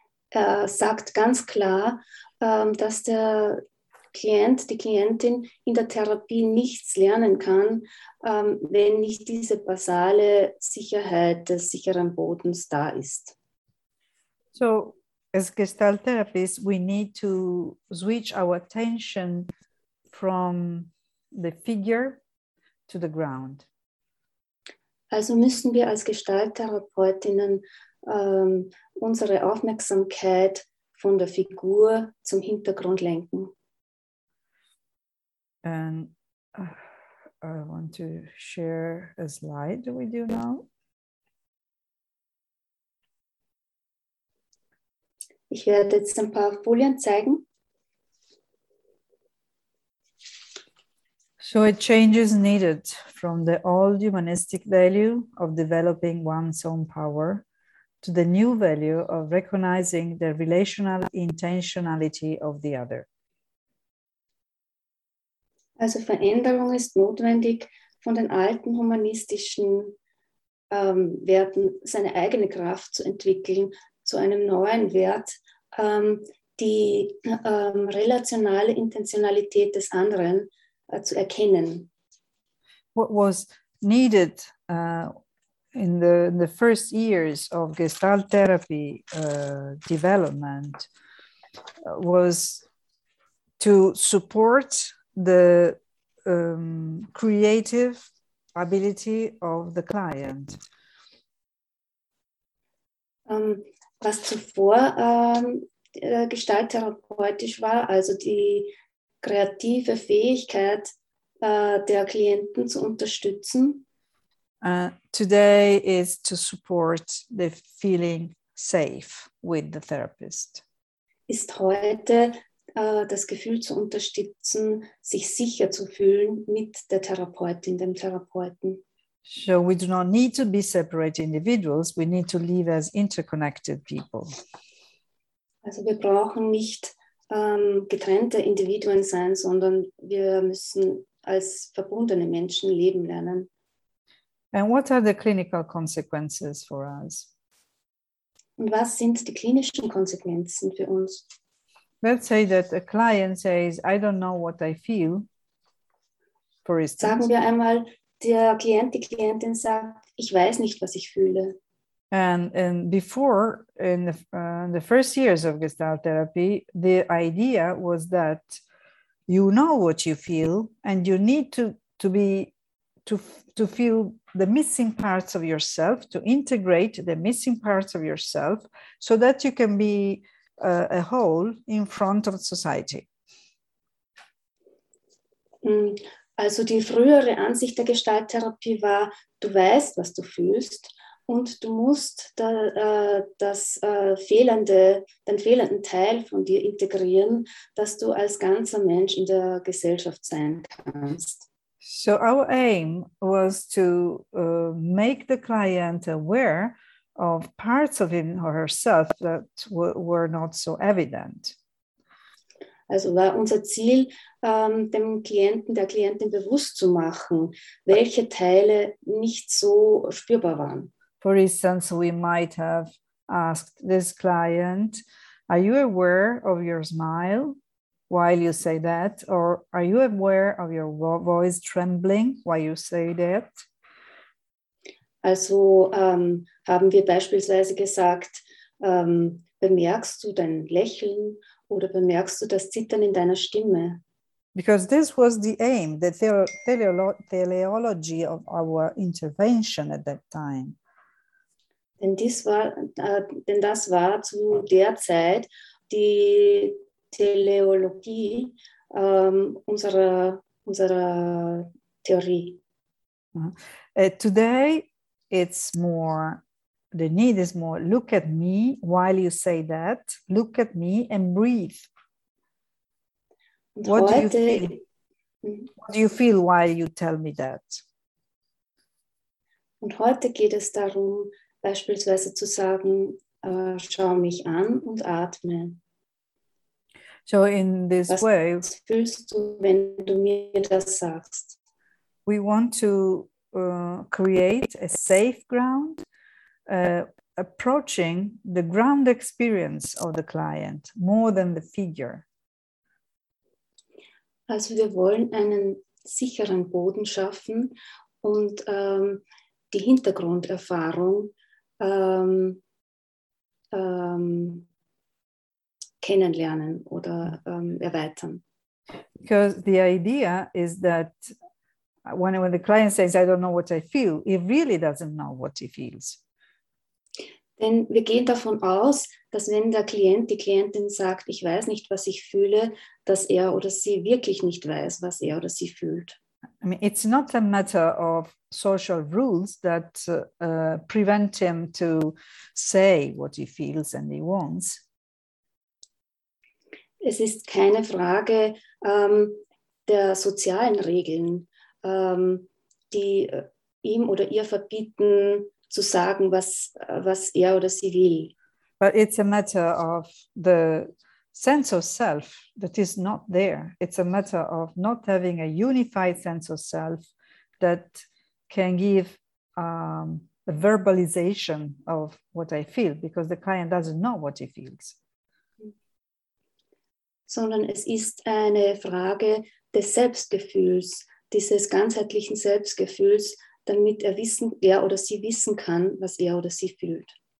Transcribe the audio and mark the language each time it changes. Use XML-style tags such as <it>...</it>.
<de>Er sagt ganz klar, dass der Klient, die Klientin in der Therapie nichts lernen kann, wenn nicht diese basale Sicherheit des sicheren Bodens da ist.</de> <en>So, as Gestalt therapists, we need to switch our attention from the figure to the ground.</en> <de>Also müssen wir als Gestalttherapeutinnen unsere Aufmerksamkeit von der Figur zum Hintergrund lenken.</de> <en>And I want to share a slide with you now.</en> <de>Ich werde jetzt ein paar Folien zeigen.</de> <en>So a change is needed from the old humanistic value of developing one's own power to the new value of recognizing the relational intentionality of the other.</en> <de>Also Veränderung ist notwendig von den alten humanistischen Werten, seine eigene Kraft zu entwickeln, zu einem neuen Wert, die relationale Intentionalität des anderen zu erkennen.</de> <en>What was needed in the first years of Gestalt Therapy development was to support the creative ability of the client.</en> <de>Was zuvor gestalttherapeutisch war, also die kreative Fähigkeit der Klienten zu unterstützen.</de> <en>Today is to support the feeling safe with the therapist.</en> <de>Ist heute das Gefühl zu unterstützen, sich sicher zu fühlen mit der Therapeutin, dem Therapeuten.</de> <en>So we do not need to be separate individuals, we need to live as interconnected people.</en> <de>Also wir brauchen nicht getrennte Individuen sein, sondern wir müssen als verbundene Menschen leben lernen.</de> <en>And what are the clinical consequences for us?</en> <de>Und was sind die klinischen Konsequenzen für uns?</de> <en>Let's say that a client says, I don't know what I feel, for instance.</en> <de>Sagen wir einmal, der Klient, die Klientin sagt, ich weiß nicht, was ich fühle.</de> <en>And before, in the first years of Gestalt Therapy, the idea was that you know what you feel and you need to feel the missing parts of yourself, to integrate the missing parts of yourself so that you can be a whole in front of society.</en> <de>Also die frühere Ansicht der Gestalttherapie war, du weißt, was du fühlst. Und du musst den fehlenden Teil von dir integrieren, dass du als ganzer Mensch in der Gesellschaft sein kannst.</de> <en>So our aim was to make the client aware of parts of him or herself that were not so evident.</en> <de>Also war unser Ziel, dem Klienten, der Klientin bewusst zu machen, welche Teile nicht so spürbar waren.</de> <en>For instance, we might have asked this client, are you aware of your smile while you say that? Or are you aware of your voice trembling while you say that?</en> <de>Also haben wir beispielsweise gesagt, bemerkst du dein Lächeln oder bemerkst du das Zittern in deiner Stimme?</de> <en>Because this was the aim, the teleology of our intervention at that time.</en> <de>Denn das war zu der Zeit die Teleologie unserer Theorie.</de> <en>Today it's more, the need is more, look at me while you say that, look at me and breathe.</en> <de>Und</de> <en>what,</en> <de>heute,</de> <en>what do you feel while you tell me that?</en> <de>Und heute geht es darum, beispielsweise zu sagen, schau mich an und atme.</de> <en>So in this way,</en> <de>was fühlst du, wenn du mir das sagst?</de> <en>We want to create a safe ground, approaching the ground experience of the client more than the figure.</en> <de>Also wir wollen einen sicheren Boden schaffen und die Hintergrunderfahrung kennenlernen oder erweitern.</de> <en>Because the idea is that when the client says, I don't know what I feel, he really doesn't know what he feels.</en> <de>Denn wir gehen davon aus, dass wenn der Klient, die Klientin sagt, ich weiß nicht, was ich fühle, dass er oder sie wirklich nicht weiß, was er oder sie fühlt.</de> <en>I mean, it's not a matter of social rules that prevent him to say what he feels and he wants.</en> <de>Es ist keine Frage der sozialen Regeln, die ihm oder ihr verbieten zu sagen, was er oder sie will.</de> <en>But it's a matter of the sense of self that is not there. It's a matter of not having a unified sense of self that can give a verbalization of what I feel, because the client doesn't know what he feels.</en> <de>Sondern es ist eine Frage des Selbstgefühls, dieses ganzheitlichen Selbstgefühls, damit er oder sie wissen kann, was er oder sie fühlt.</de>